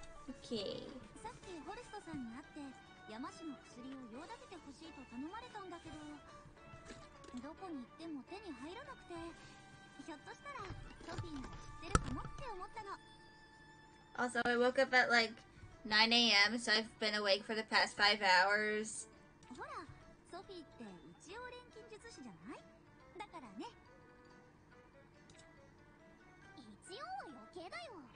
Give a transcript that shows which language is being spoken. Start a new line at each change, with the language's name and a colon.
English: OK。
Japanese: さっきフォレストさんに会って山氏の薬を用立ててほしいと頼まれたんだけど、どこに行っても手に入らなくて、ひょっとしたらソフィーが知ってるかもって思ったの。
English: Also, I woke up at like 9 a.m. so I've been awake for the past 5 hours.
Japanese: ほら、ソフィーって一応錬金術師じゃない？だからね、必要は余計だよ。